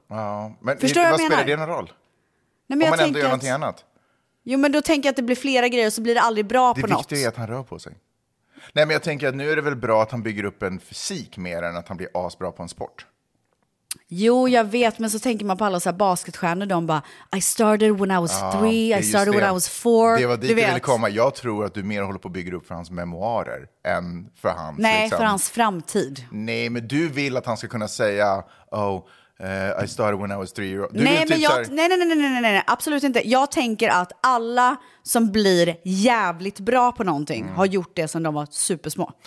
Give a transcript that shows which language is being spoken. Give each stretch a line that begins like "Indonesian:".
Swedish: Ja, men förstår vad jag menar? Spelar det någon roll? Nej, men om jag man ändå gör någonting annat. Jo, men då tänker jag att det blir flera grejer så blir det aldrig bra det på något. Det viktiga är att han rör på sig. Nej, men jag tänker att nu är det väl bra att han bygger upp en fysik mer än att han blir asbra på en sport. Jo, jag vet, men så tänker man på alla så här basketstjärnor. De bara,
English: I started when I was 3, I started when I was 4.
Swedish: Det var dit du ville komma. Jag tror att du mer håller på att bygga upp för hans memoarer än för hans... Nej, liksom. För hans framtid. Nej, men du vill att han ska kunna säga,
English: oh, I started when I was 3 years old.
Swedish: Du nej, men typ jag, så här... nej, absolut inte. Jag tänker att alla... som blir jävligt bra på någonting har gjort det som de var supersmå.